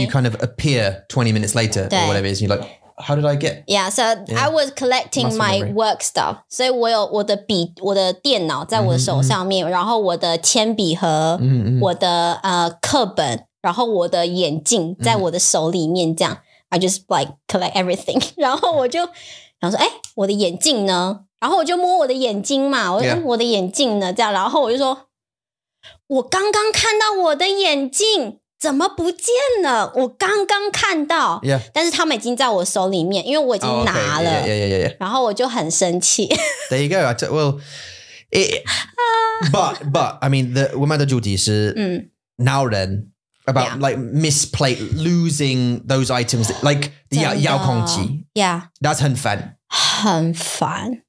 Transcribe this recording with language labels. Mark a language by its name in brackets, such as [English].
[English] you kind of appear 20 minutes later or whatever it is, and you're like, how did I get? Yeah, so yeah. I was collecting my work stuff. [Chinese] So 我的电脑在我的手上面，然后我的铅笔盒，我的课本然后我的眼镜在我的手里面这样、mm-hmm. [English] I just like collect everything [Chinese] 然后我就然后说哎、欸、我的眼镜呢然后我就摸我的眼睛嘛我就说、yeah. 我的眼镜呢这样然后我就说我刚刚看到我的眼镜怎么不见了我刚刚看到、 [English] yeah. [Chinese] 但是他们已经在我手里面因为我已经拿了、 [English] oh, okay. yeah, yeah, yeah, yeah. [Chinese] 然后我就很生气 [English] There you go, I took, well, it, but, I mean, the, [Chinese] 我们的主题是 [English] Nǎo Rén about、yeah. like misplay, losing those items, like 遥控器 Yeah. That's 很烦 [Chinese] 很烦